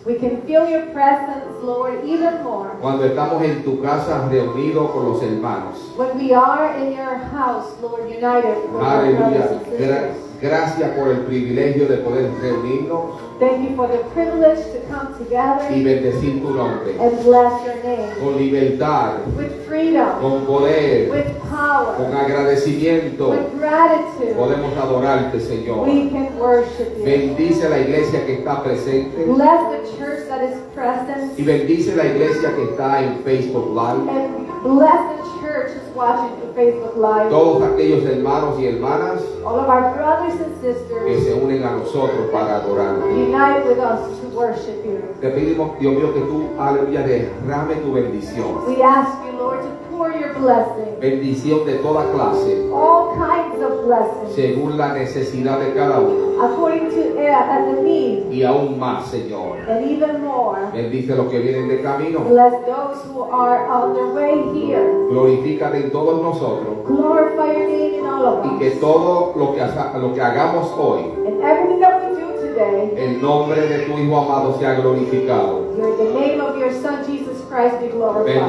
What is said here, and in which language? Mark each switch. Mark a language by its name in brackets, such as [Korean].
[English] We can feel your presence, Lord, even more. [Spanish] Cuando estamos en tu casa reunidos con los hermanos. [English] When we are in your house, Lord, united with our brothers and [Spanish] sisters. Gracias por el privilegio de poder reunirnos. [English] Thank you for the privilege to come together. [Spanish] Y bendecir tu nombre. [English] And bless your name. [Spanish] Con libertad. [English] With freedom. [Spanish] Con poder. [English] With power. [Spanish] Con agradecimiento. [English] With gratitude. [Spanish] Podemos adorarte, Señor. [English] We can worship you. [Spanish] Bendice la iglesia que está presente. [English] Bless the church that is present. [Spanish] Y bendice la iglesia que está en Facebook Live. [English] And bless the church that's watching through Facebook Live. [Spanish] Todos aquellos hermanos y hermanas. [English] All of our brothers and sisters. [Spanish] Que se unen a nosotros para adorarte. [English] Unite with us to worship you. [Spanish] Te pedimos, Dios mío, que tú, aleluya, derrame tu bendición. [English] We ask you, Lord, to pour your blessing. [Spanish] Bendición de toda clase. [English] All kinds of blessings. [Spanish] Según la necesidad de cada uno. [English] According to the need. [Spanish] Y aún más, Señor. [English] And even more. [Spanish] Bendice los que vienen de camino. [English] Bless those who are on their way here. [Spanish] Glorifícate en todos nosotros. [English] Glorify your name in all of us. [Spanish] Y que todo lo que hagamos hoy. [English] And everything that we do. [Spanish] El nombre de tu Hijo amado sea glorificado. [English] The name of your Son, Jesus Christ, be glorified.